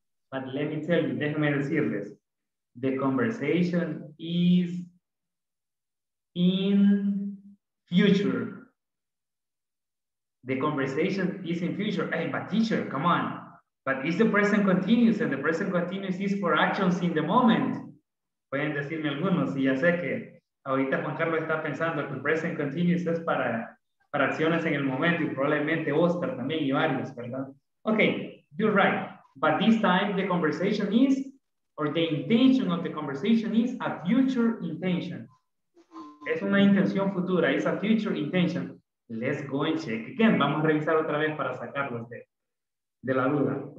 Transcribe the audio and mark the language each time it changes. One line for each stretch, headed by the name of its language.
English: But let me tell you,
Spanish: déjame decirles.
English: The conversation is in future. The conversation is in future. Hey, but teacher, come on. But it's the present continuous, and the present continuous is for actions in the moment.
Spanish: Pueden decirme algunos, y ya sé que ahorita Juan Carlos está pensando que el present continuous es para acciones en el momento, y probablemente Oscar también y varios, ¿verdad?
English: Okay, you're right. But this time the conversation is, or the intention of the conversation is a future intention.
Spanish: Es una intención futura.
English: It's a future intention. Let's go and check again.
Spanish: Vamos a revisar otra vez para sacarlos de la duda.